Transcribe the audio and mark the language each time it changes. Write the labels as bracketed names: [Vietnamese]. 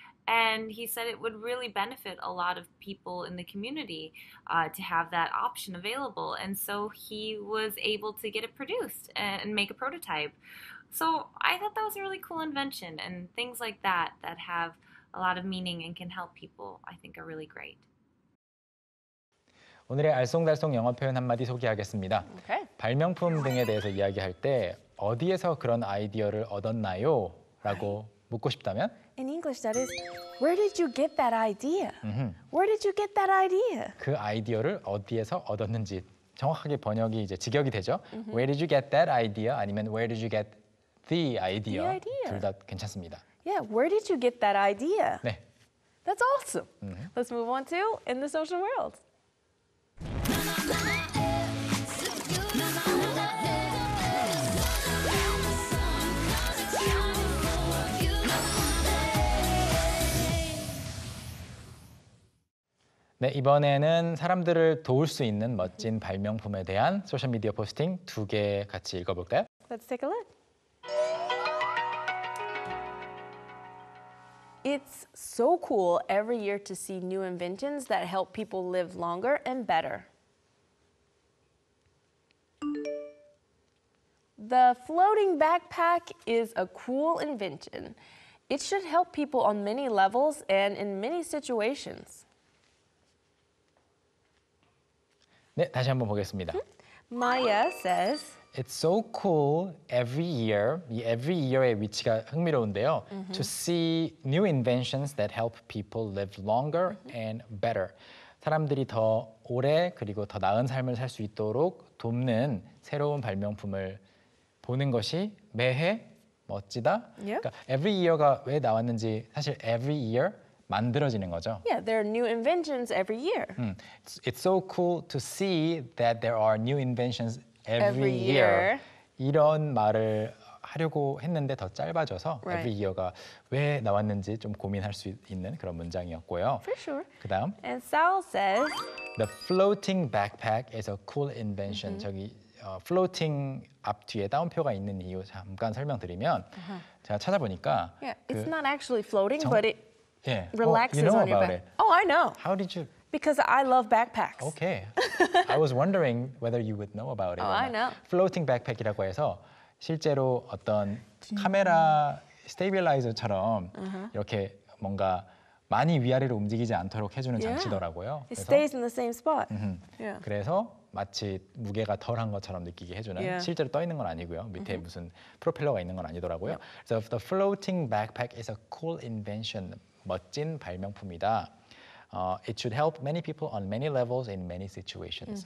[English] And he said it would really benefit a lot of people in the community to have that option available. And so he was able to get it produced and make a prototype. So I thought that was a really cool invention. And things like that that have a lot of meaning and can help people, I think, are really great. [Korean] 오늘의 알쏭달쏭 영어 표현 한마디 소개하겠습니다. [English] Okay. [Korean] 발명품 등에 대해서 이야기할 때 어디에서 그런 아이디어를 얻었나요? 라고 묻고 싶다면 [English] In English, that is, where did you get that idea? Where did you get that idea? [Korean] 그 아이디어를 어디에서 얻었는지 정확하게 번역이 이제 직역이 되죠. [English] Mm-hmm. Where did you get that idea? [Korean] 아니면 [English] where did you get the idea? idea. [Korean] 둘 다 괜찮습니다. [English] Yeah, where did you get that idea? [Korean] 네. [English] That's awesome. Mm-hmm. Let's move on to In the Social World. Mm-hmm. [Korean] 네, 이번에는 사람들을 도울 수 있는 멋진 발명품에 대한 소셜미디어 포스팅 두 개 같이 읽어볼까요? [English] Let's take a look. It's so cool every year to see new inventions that help people live longer and better. The floating backpack is a cool invention. It should help people on many levels and in many situations. [Korean] 네, 다시 한번 보겠습니다. [English] Maya says, It's so cool every year, 이 every year의 [Korean] 위치가 흥미로운데요. [English] Mm-hmm. To see new inventions that help people live longer mm-hmm. and better. [Korean] 사람들이 더 오래 그리고 더 나은 삶을 살 수 있도록 돕는 새로운 발명품을 보는 것이 매해 멋지다? [English] Yeah. [Korean] 그러니까 every year가 왜 나왔는지 사실 every year 만들어지는 거죠. [English] Yeah, there are new inventions every year. It's so cool to see that there are new inventions every year. year. [Korean] 이런 말을 하려고 했는데 더 짧아져서 [English] right. [Korean] every year가 왜 나왔는지 좀 고민할 수 있는 그런 문장이었고요. [English] For sure. [Korean] 그다음 [English] And Sal says The floating backpack is a cool invention. Mm-hmm. [Korean] 저기 floating 앞 뒤에 따옴표가 있는 이유 잠깐 설명드리면 uh-huh. 제가 찾아보니까 [English] Yeah, it's not actually floating, but it Yeah. Relaxes on your back. Oh, I know. How did you? Because I love backpacks. Okay. I was wondering whether you would know about it. Oh, I know. [Korean] Floating backpack이라고 해서 실제로 어떤 카메라 스테빌라이저처럼 이렇게 뭔가 많이 위아래로 움직이지 않도록 해주는 장치더라고요. [English] It stays in the same spot. Yeah. [Korean] 그래서 마치 무게가 덜한 것처럼 느끼게 해주는 [English] yeah. [Korean] 실제로 떠 있는 건 아니고요. 밑에 mm-hmm. 무슨 프로펠러가 있는 건 아니더라고요. [English] Yep. So the floating backpack is a cool invention. [Korean] 멋진 발명품이다. [English] It should help many people on many levels in many situations.